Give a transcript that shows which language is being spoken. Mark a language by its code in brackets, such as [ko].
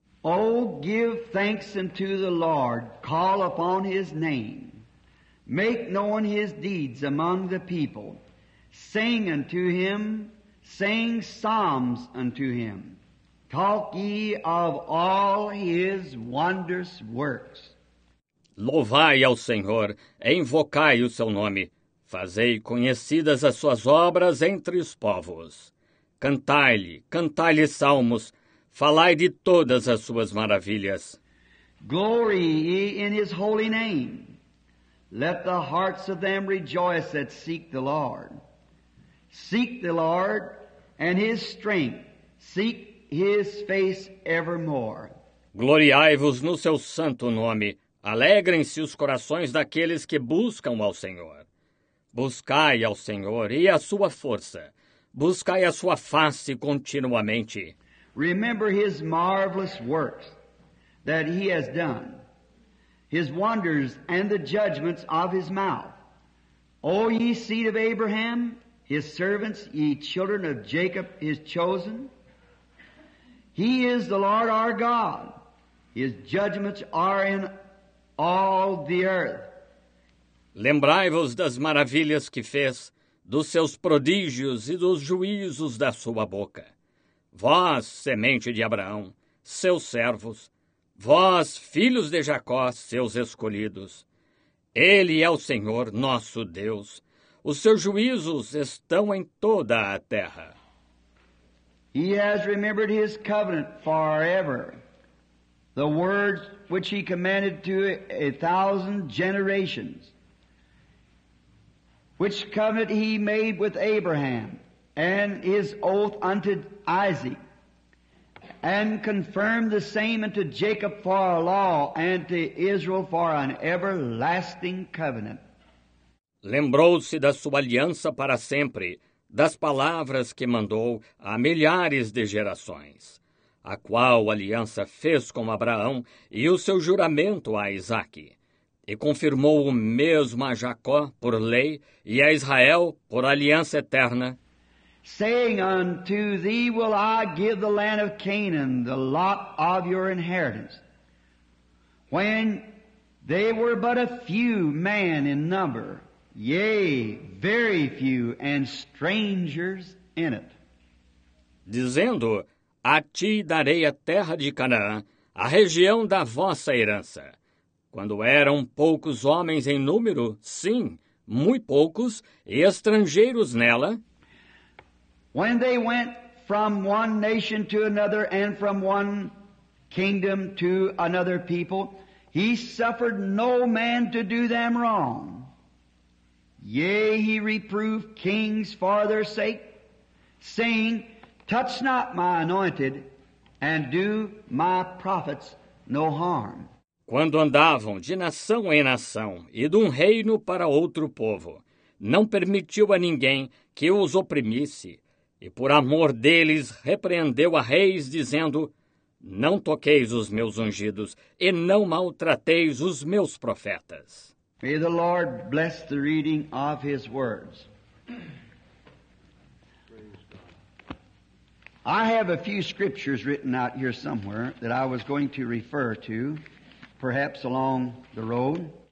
[en] Oh, give thanks unto the Lord, call upon his name, make known his deeds among the people, sing unto him, sing psalms unto him. Talk ye of all his wondrous works. [pt] Louvai ao Senhor, e invocai o seu nome. Fazei conhecidas as suas obras entre os povos. Cantai-lhe salmos. Falai de todas as suas maravilhas. [en] Glory ye in his holy name. Let the hearts of them rejoice that seek the Lord. Seek the Lord and his strength. Seek his face evermore. [pt] Gloriai-vos no seu santo nome. Alegrem-se os corações daqueles que buscam ao Senhor. Buscai ao Senhor e a sua força. Buscai a sua face continuamente. [en] Remember his marvelous works that he has done, his wonders and the judgments of his mouth. O ye seed of Abraham, his servants, ye children of Jacob, his chosen. He is the Lord our God. His judgments are in all the earth. [pt] Lembrai-vos das maravilhas que fez, dos seus prodígios e dos juízos da sua boca. Vós, semente de Abraão, seus servos, vós, filhos de Jacó, seus escolhidos. Ele é o Senhor, nosso Deus. Os seus juízos estão em toda a terra. [en] He has remembered his covenant forever, the words which he commanded to 1,000 generations, which covenant he made with Abraham, and his oath unto Isaac, and confirmed the same unto Jacob for a law, and to Israel for an everlasting covenant. [pt] Lembrou-se da sua aliança para sempre, das palavras que mandou a milhares de gerações, a qual aliança fez com Abraão e o seu juramento a Isaque, e confirmou o mesmo a Jacó por lei e a Israel por aliança eterna, [en] saying unto thee will I give the land of Canaan, the lot of your inheritance, when they were but a few men in number, yea, very few, and strangers in it. [pt] Dizendo, a ti darei a terra de Canaã, a região da vossa herança. Quando eram poucos homens em número, sim, muito poucos, e estrangeiros nela. [en] When they went from one nation to another and from one kingdom to another people, he suffered no man to do them wrong. Yea, he reproved kings for their sake, saying, touch not my anointed, and do my prophets no harm. [pt] Quando andavam de nação em nação e de um reino para outro povo, não permitiu a ninguém que os oprimisse, e por amor deles repreendeu a reis, dizendo, não toqueis os meus ungidos e não maltrateis os meus profetas. [en] May the Lord bless the reading of his words. I have a few scriptures written out here somewhere that I was going to refer to, perhaps along the road.